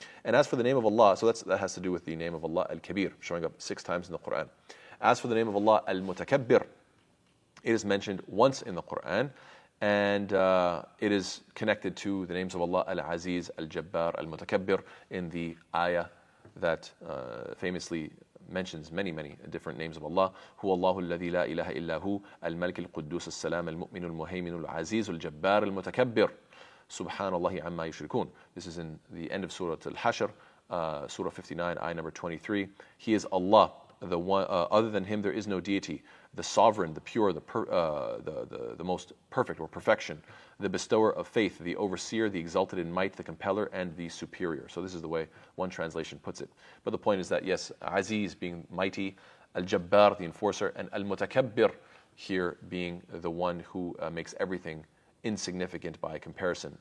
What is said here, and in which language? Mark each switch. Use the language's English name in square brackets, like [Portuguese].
[English] And as for the name of Allah, so that has to do with the name of Allah, Al-Kabeer, showing up 6 times in the Qur'an. As for the name of Allah, Al-Mutakabbir, it is mentioned once in the Qur'an, and it is connected to the names of Allah, Al-Aziz, Al-Jabbar, Al-Mutakabbir, in the ayah that famously mentions many, many different names of Allah. [Arabic] هو الله الذي لا إله إلا هو الملك القدوس السلام المؤمن المهيمن العزيز الجبار المتكبر سبحان الله عما يشركون. [English] This is in the end of Surah Al-Hashr, Surah 59, ayah number 23. He is Allah, the one, other than Him there is no deity, the sovereign, the pure, the most perfect or perfection, the bestower of faith, the overseer, the exalted in might, the compeller, and the superior. So this is the way one translation puts it. But the point is that, yes, Aziz being mighty, Al-Jabbar, the enforcer, and Al-Mutakabbir here being the one who makes everything insignificant by comparison.